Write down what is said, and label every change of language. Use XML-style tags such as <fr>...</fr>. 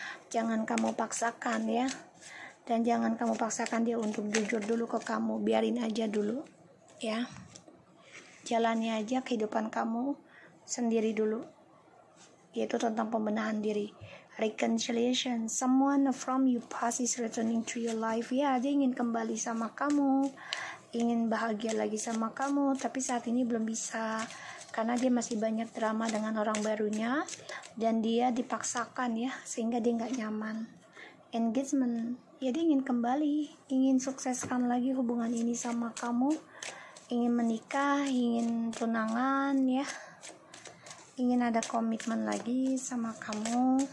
<id>Jangan kamu paksakan, ya. Dan jangan kamu paksakan dia untuk jujur dulu ke kamu. Biarin aja dulu, ya. Jalani aja kehidupan kamu sendiri dulu, yaitu tentang pembenahan diri, reconciliation.</id> <en>Someone from your past is returning to your life.</en> <id>Ya, dia ingin kembali sama kamu, ingin bahagia lagi sama kamu, tapi saat ini belum bisa karena dia masih banyak drama dengan orang barunya, dan dia dipaksakan, ya, sehingga dia gak nyaman. Engagement, ya, dia ingin kembali, ingin sukseskan lagi hubungan ini sama kamu, ingin menikah, ingin tunangan, ya, ingin ada komitmen lagi sama kamu.</id>